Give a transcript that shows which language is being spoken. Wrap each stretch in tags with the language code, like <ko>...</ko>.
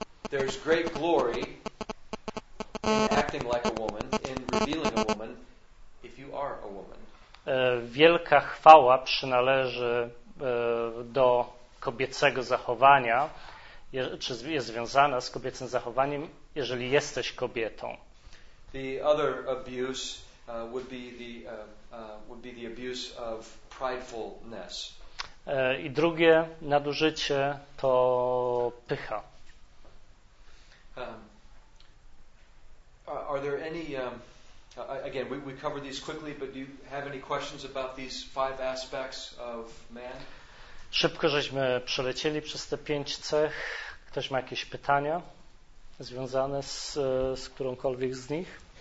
<en>There's great glory in acting like a woman, in revealing a woman, if you are a woman.</en> <pl>Wielka chwała przynależy do kobiecego zachowania, czy jest związana z kobiecym zachowaniem, jeżeli jesteś kobietą.</pl> <en>The other abuse would be the abuse of pridefulness.</en> <pl>I drugie nadużycie to pycha.</pl> <en>Are there any again, we covered these quickly, but do you have any questions about these five aspects of man?</en> <pl>Szybko żeśmy przelecieli przez te pięć cech. Ktoś ma jakieś pytania związane z którąkolwiek z nich?</pl>